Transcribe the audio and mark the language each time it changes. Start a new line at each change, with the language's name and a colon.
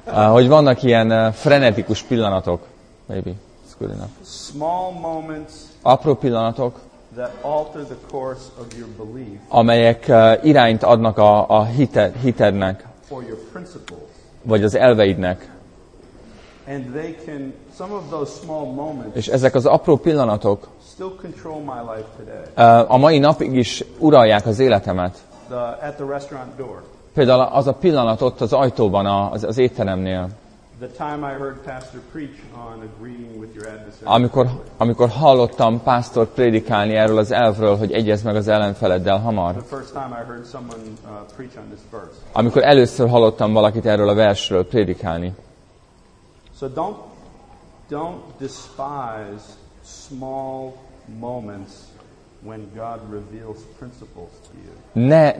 Hungarian: hogy vannak ilyen frenetikus pillanatok.
English: Maybe. It's good enough. Small moments.
Hungarian: Apró pillanatok.
English: That alter the course of your belief,
Hungarian: amelyek irányt adnak a hitednek,
English: or your principles,
Hungarian: vagy az elveidnek.
English: And they can, some of those small moments,
Hungarian: és ezek az apró pillanatok
English: still control my life today.
Hungarian: A mai napig is uralják az életemet.
English: At the restaurant door.
Hungarian: Például az a pillanat ott az ajtóban, az étteremnél.
English: The time I heard pastor preach on agreeing with your adversary.
Hungarian: Amikor hallottam pásztort prédikálni erről az elvről, hogy egyezz meg az ellenfeleddel hamar.
English: The first time I heard someone preach on this verse.
Hungarian: Amikor először hallottam valakit erről a versről prédikálni.
English: So don't despise small moments when God reveals principles to you.